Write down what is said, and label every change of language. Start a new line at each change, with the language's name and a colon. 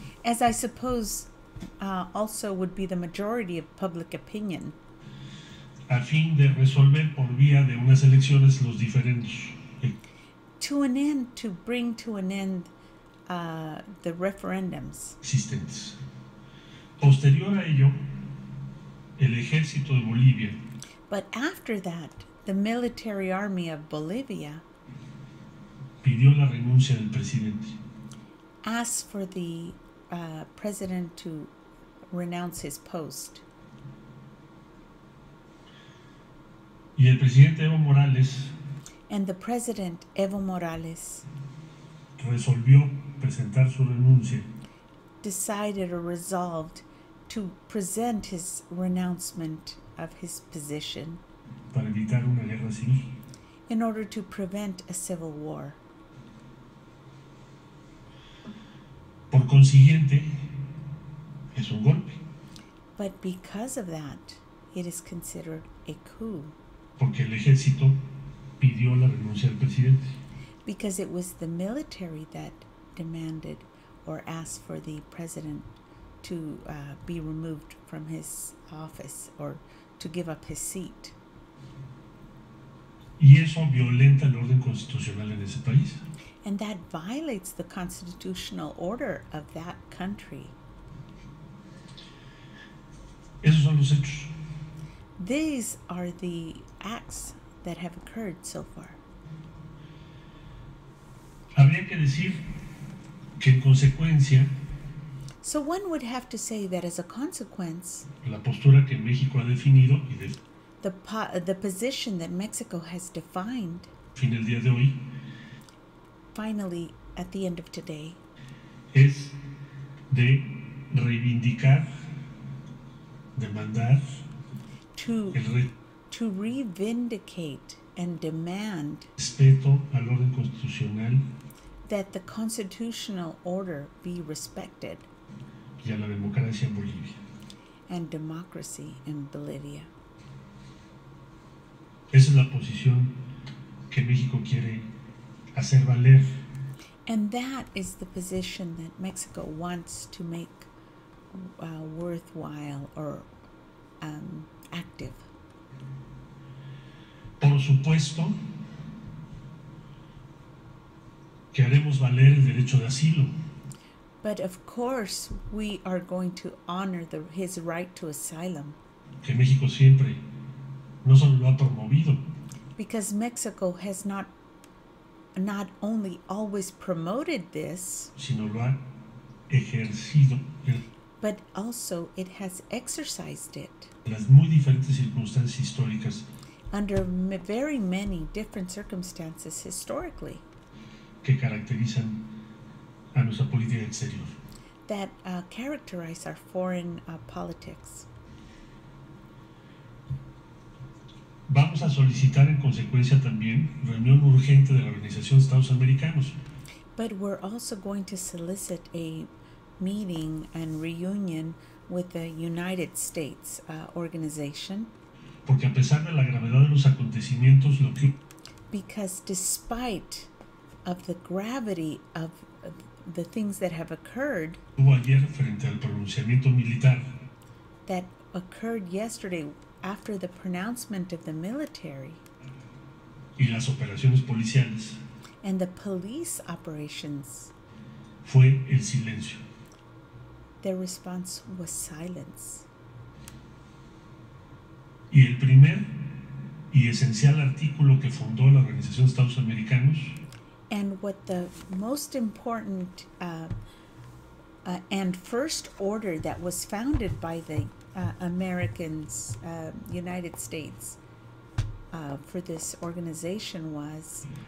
English: As I suppose, also would be the majority of public opinion.
Spanish: A fin de resolver por vía de unas elecciones los diferendos.
English: To an end, to bring to an end the referendums.
Spanish: Existentes. Posterior a ello, el ejército de Bolivia.
English: But after that, the military army of Bolivia
Spanish: pidió la renuncia del presidente.
English: Asked for the president to renounce his post.
Spanish: Y el presidente Evo Morales.
English: And the president Evo Morales
Spanish: resolvió presentar su renuncia.
English: Decided or resolved to present his renouncement of his position.
Spanish: Para evitar una guerra civil.
English: In order to prevent a civil war.
Spanish: Por consiguiente, es un golpe.
English: But because of that, it is considered a coup.
Spanish: Porque el ejército pidió la renuncia del presidente.
English: Because it was the military that demanded or ask for the president to be removed from his office or to give up his seat.
Spanish: Y eso violenta el orden constitucional en ese país.
English: And that violates the constitutional order of that country.
Spanish: Esos son los hechos.
English: These are the acts that have occurred so far.
Spanish: Habría que decir que en consecuencia,
English: so one would have to say that as a consequence,
Spanish: la postura que México ha definido y de,
English: the position that Mexico has defined,
Spanish: fin el día de hoy,
English: finally at the end of today,
Spanish: es de reivindicar, demandar,
English: to revindicate and demand
Spanish: respeto al orden constitucional,
English: that the constitutional order be respected,
Spanish: y a la democracia en Bolivia,
English: and democracy in Bolivia.
Spanish: Esa es la posición que México quiere hacer valer.
English: And that is the position that Mexico wants to make worthwhile or active.
Spanish: Por supuesto que haremos valer el derecho de asilo.
English: But of course we are going to honor his right to asylum.
Spanish: Que México siempre no solo lo ha promovido.
English: Because Mexico has not only always promoted this,
Spanish: sino lo ha ejercido,
English: but also it has exercised it
Spanish: las muy diferentes circunstancias históricas,
English: under very many different circumstances historically
Spanish: que caracterizan a nuestra política exterior,
English: that characterize our foreign politics.
Spanish: Vamos a solicitar en consecuencia también reunión urgente de la Organización de Estados Americanos.
English: But we're also going to solicit a meeting and reunion with the United States organization.
Spanish: Porque a pesar de la gravedad de los acontecimientos, lo que
English: because despite of the gravity of the things that have occurred,
Spanish: hubo ayer frente al pronunciamiento militar,
English: that occurred yesterday after the pronouncement of the military,
Spanish: y las operaciones policiales,
English: and the police operations,
Spanish: fue el silencio.
English: Their response was silence.
Spanish: Y el primer y esencial artículo que fundó la Organización de Estados Americanos,
English: and what the most important and first order that was founded by the Americans, United States, for this organization was,